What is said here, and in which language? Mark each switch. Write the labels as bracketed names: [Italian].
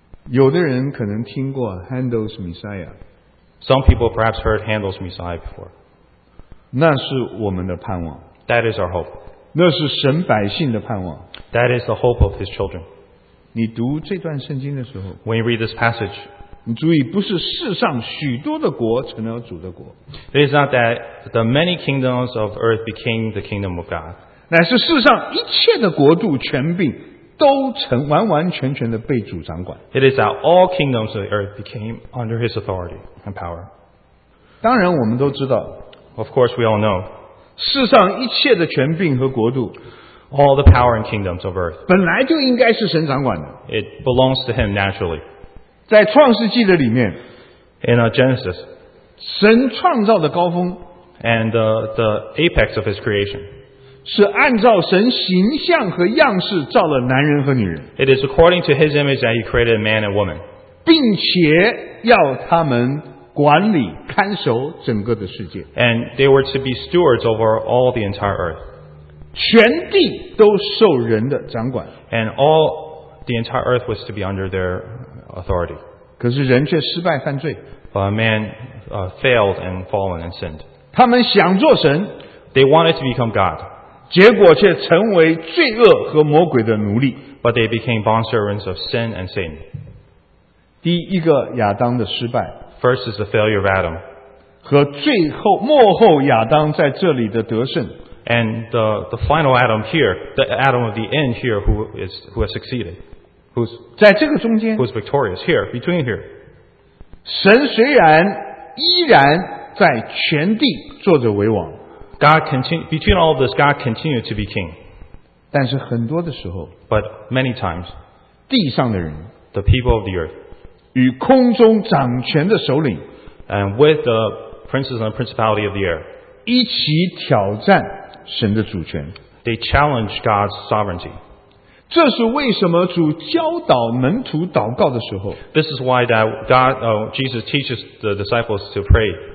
[Chinese] 有的人可能听过 Handel's Messiah. [English] Some people perhaps heard Handel's Messiah before. [Chinese] 那是我们的盼望。 [English] That is our hope. [Chinese] 那是神百姓的盼望。 [English] That is the hope of his children. [Chinese] 你读这段圣经的时候 [English] When you read this passage, [Chinese] 你注意，不是世上许多的国成了主的国。 [English] It is not that the many kingdoms of earth became the kingdom of God. [Chinese] 乃是世上一切的国度权柄都成完完全全的被主掌管。 [English] It is that all kingdoms of the earth became under His authority and power. [Chinese] 当然，我们都知道。 [English] Of course, we all know. [Chinese] 世上一切的权柄和国度 [English] all the power and kingdoms of earth [Chinese] 本来就应该是神掌管的 [English] it belongs to him naturally [Chinese] 在创世纪的里面 [English] in Genesis [Chinese] 神创造的高峰 [English] and the apex of his creation [Chinese] 是按照神形象和样式造了男人和女人 [English] it is according to his image that he created man and woman [Chinese] 并且要他们管理看守整个的世界 [English] and they were to be stewards over all the entire earth [Chinese] 全地都受人的掌管 [English] and all the entire earth was to be under their authority [Chinese] 可是人却失败犯罪 [English] but man failed and fallen and sinned [Chinese] 他们想做神 [English] they wanted to become God [Chinese] 结果却成为罪恶和魔鬼的奴隶 [English] but they became bondservants of sin and Satan [Chinese] 第一个亚当的失败 [English] First is the failure of Adam. [Chinese] 和最后末后亚当在这里的得胜 [English] And the final Adam here, the Adam of the end here who has succeeded. Who's, [Chinese] 在这个中间 [English] Who's victorious here, between here. [Chinese] 神虽然依然在全地坐着为王 [English] God continue, Between all of this, God continued to be king. [Chinese] 但是很多的时候 [English] But many times, [Chinese] 地上的人 [English] The people of the earth, [Chinese] 与空中掌权的首领 [English] and with the princes and principality of the air [Chinese] 一起挑战神的主权 [English] they challenge God's sovereignty [Chinese] 这是为什么主教导门徒祷告的时候 [English] this is why that God, Jesus teaches the disciples to pray